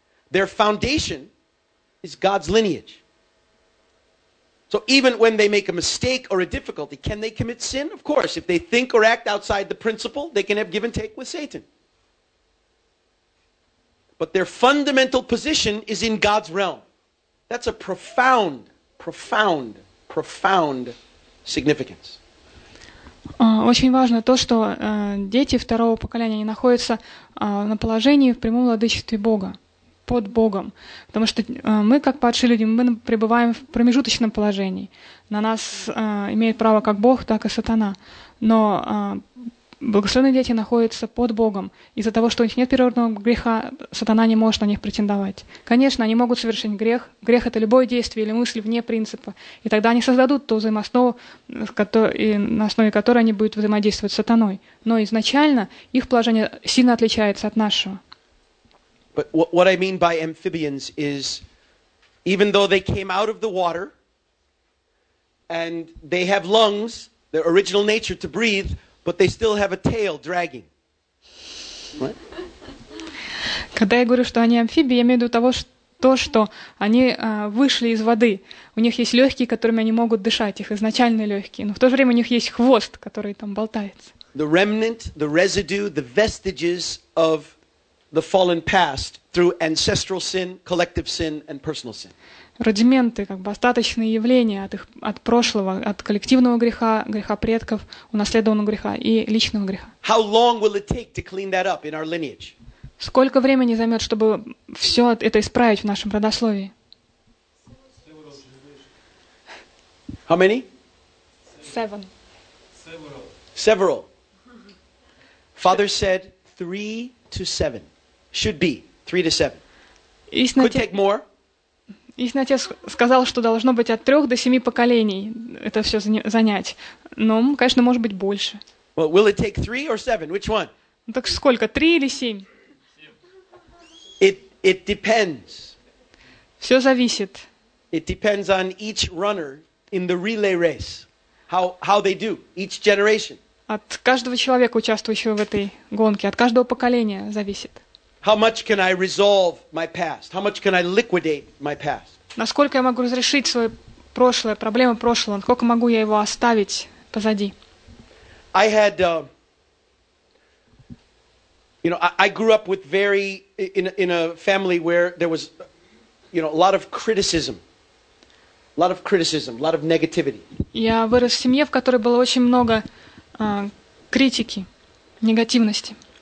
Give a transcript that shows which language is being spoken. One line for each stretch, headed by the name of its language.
English: Their foundation is God's lineage. So even when they make a mistake or a difficulty, can they commit sin? Of course, if they think or act outside the principle, they can have give and take with Satan. But their fundamental position is in God's realm. That's a profound, profound, profound significance.
Russian: Очень важно то, что дети второго поколения, они находятся на положении в прямом владычестве Бога, под Богом. Потому что мы, как падшие люди, мы пребываем в промежуточном положении. На нас имеет право как Бог, так и сатана. Но благословенные дети находятся под Богом. Из-за того, что у них нет первородного греха, сатана не может на них претендовать. Конечно, они могут совершить грех. Грех – это любое действие или мысль вне принципа. И тогда они создадут ту взаимоснову, на основе которой они будут взаимодействовать с сатаной. Но изначально их положение сильно отличается от нашего.
English: But what I mean by amphibians is, even though they came out of the water, and they have lungs, their original nature to breathe, but they still have a tail dragging.
Russian: Когда я говорю, что они амфибии, я имею в виду то, что они вышли из воды. У них есть легкие, которыми они могут дышать, их изначальные легкие. Но в то же время у них есть хвост, который там болтается.
English: The remnant, the residue, the vestiges of the fallen past through ancestral sin, collective sin, and personal sin.
Russian: Рудименты, как бы остаточные явления от прошлого, от коллективного греха, греха предков, унаследованного греха и личного греха.
English: How long will it take to clean that up in our lineage?
Russian: Сколько времени займет, чтобы все это исправить в нашем родословии?
English: How many? Seven. Several. Father said 3 to 7. Should be 3 to 7. Could take more.
Russian: Истинный отец сказал, что должно быть от 3 до 7 поколений это все занять. Но, конечно, может быть больше.
English: Well, will it take 3 or 7? Which one?
Russian: Так сколько? 3 или 7?
English: It depends.
Russian: Все зависит.
English: It depends on each runner in the relay race. How they do, each generation.
Russian: От каждого человека, участвующего в этой гонке, от каждого поколения зависит.
English: How much can I resolve my past? How much can I liquidate my past?
Russian: Насколько я могу разрешить свое прошлое, проблемы прошлого? Насколько могу я его оставить позади?
English: I had, I grew up with very in a family where there was, a lot of criticism, a lot of negativity.
Russian: Я вырос в семье, в которой было очень много критики, негативности.